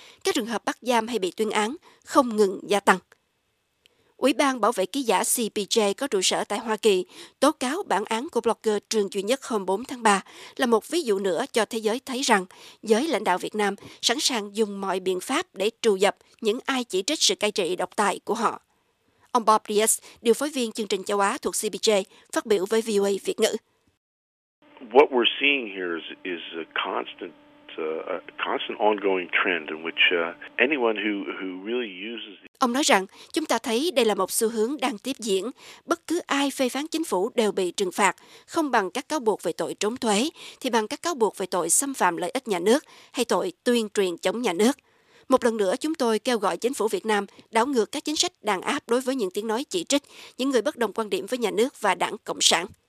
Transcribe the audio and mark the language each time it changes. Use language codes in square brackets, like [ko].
[vi] Các trường hợp bắt giam hay bị tuyên án không ngừng gia tăng. Ủy ban bảo vệ ký giả CPJ có trụ sở tại Hoa Kỳ tố cáo bản án của blogger Trương Duy Nhất hôm 4 tháng 3 là một ví dụ nữa cho thế giới thấy rằng giới lãnh đạo Việt Nam sẵn sàng dùng mọi biện pháp để trù dập những ai chỉ trích sự cai trị độc tài của họ. Ông Bob Dias, điều phối viên chương trình châu Á thuộc CPJ, phát biểu với VOA Việt ngữ. [en] What we're seeing here is a constant ongoing trend in which anyone who really uses. [vi] Ông nói rằng, chúng ta thấy đây là một xu hướng đang tiếp diễn. Bất cứ ai phê phán chính phủ đều bị trừng phạt, không bằng các cáo buộc về tội trốn thuế, thì bằng các cáo buộc về tội xâm phạm lợi ích nhà nước hay tội tuyên truyền chống nhà nước. Một lần nữa, chúng tôi kêu gọi chính phủ Việt Nam đảo ngược các chính sách đàn áp đối với những tiếng nói chỉ trích, những người bất đồng quan điểm với nhà nước và đảng Cộng sản.